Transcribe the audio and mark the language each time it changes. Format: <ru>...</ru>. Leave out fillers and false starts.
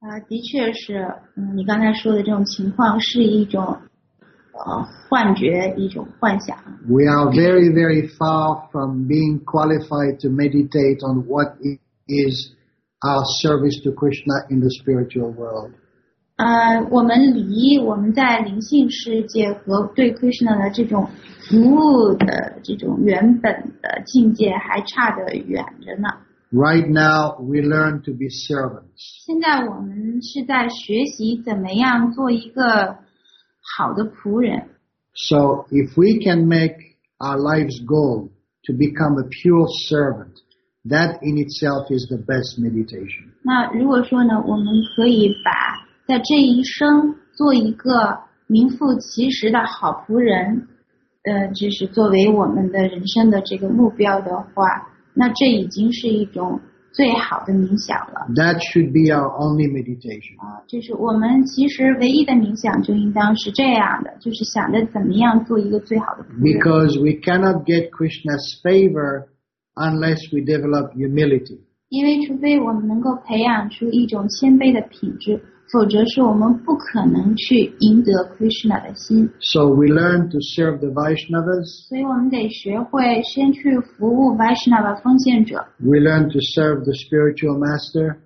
<zh>的确是你刚才说的这种情况是一种幻觉，一种幻想。</zh> <en>We are very, very far from being qualified to meditate on what is our service to Krishna in the spiritual world.</en> <zh>我们离我们在灵性世界和对 Krishna 的这种服务的这种原本的境界还差得远着呢。</zh> <en>Right now, we learn to be servants.</en> <zh>现在我们是在学习怎么样做一个好的仆人。</zh> <en>So if we can make our life's goal to become a pure servant, that in itself is the best meditation.</en> <zh>那如果说呢，我们可以把在这一生做一个名副其实的好仆人，就是作为我们的人生的这个目标的话，那这已经是一种最好的冥想了。</zh> <en>That should be our only meditation.</en> <zh>就是我们其实唯一的冥想就应当是这样的，就是想着怎么样做一个最好的仆人。</zh> <en>Because we cannot get Krishna's favor unless we develop humility.</en> <zh>因为除非我们能够培养出一种谦卑的品质，否则是我们不可能去赢得 Krishna 的心。</zh> <en>So we learn to serve the Vaishnavas.</en> <zh>所以我们得学会先去服务 Vaishnava 奉献者。</zh> <en>We learn to serve the spiritual master.</en>